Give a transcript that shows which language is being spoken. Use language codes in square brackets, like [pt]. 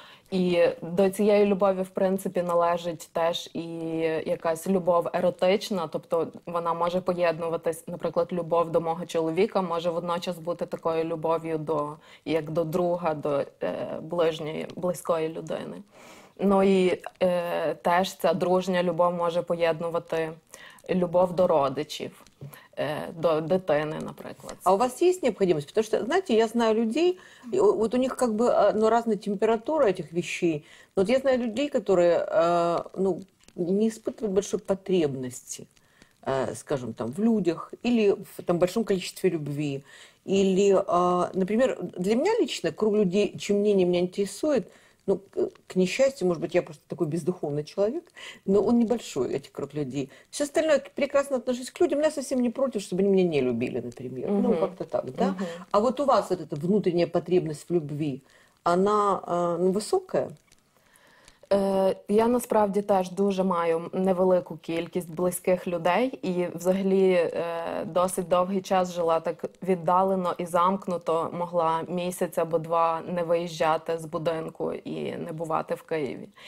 [uk] І до цієї любові, в принципі, належить теж і якась любов еротична, тобто вона може поєднуватись, наприклад, любов до мого чоловіка може водночас бути такою любов'ю до, як до друга, до ближньої, близької людини. Ну і теж ця дружня любов може поєднувати любов до родичів, до дитини, наприклад. А у вас є необхідність? Тому що, знаєте, я знаю людей, от у них якби, ну, різна температура цих речей. От я знаю людей, які, [ru] ну, не испытывають большої потребності, скажем, там, в людях, или в там, большом количестве любви. Или, например, для меня лично круг людей, чем мнение меня интересует, ну, к несчастью, может быть, я просто такой бездуховный человек, но он небольшой, эти круг людей. Все остальное, я прекрасно отношусь к людям, но я совсем не против, чтобы они меня не любили, например. Угу. Ну, как-то так, да? Угу. А вот у вас вот эта внутренняя потребность в любви, она ну, высокая? [uk] Я насправді теж дуже маю невелику кількість близьких людей і взагалі досить довгий час жила так віддалено і замкнуто, могла місяць або два не виїжджати з будинку і не бувати в Києві.